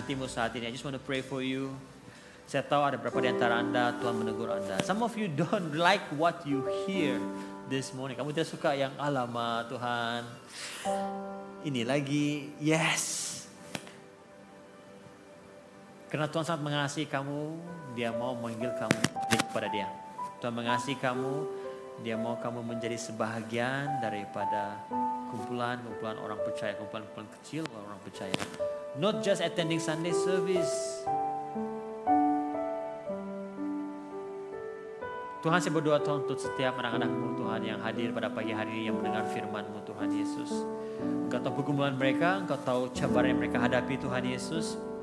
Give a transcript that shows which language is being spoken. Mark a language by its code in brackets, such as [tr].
[ms] Saat ini, [en] I just want to pray for you. [ms] Saya tahu ada beberapa di antara Anda, Tuhan menegur Anda. [en] Some of you don't like what you hear this morning. [ms] Kamu tidak suka yang alamat Tuhan. Ini lagi, yes. Karena Tuhan sangat mengasihi kamu, Dia mau memanggil kamu kepada Dia. Tuhan mengasihi kamu, Dia mau kamu menjadi sebahagian daripada kumpulan-kumpulan orang percaya, kumpulan-kumpulan kecil orang percaya. [en] Not just attending Sunday service. [ms] Tuhan, saya berdoa Tuhan untuk setiap anak-anakmu Tuhan yang hadir pada pagi hari ini yang mendengar firmanmu Tuhan Yesus. Engkau tahu pergumulan mereka, Engkau tahu cabaran yang mereka hadapi Tuhan Yesus.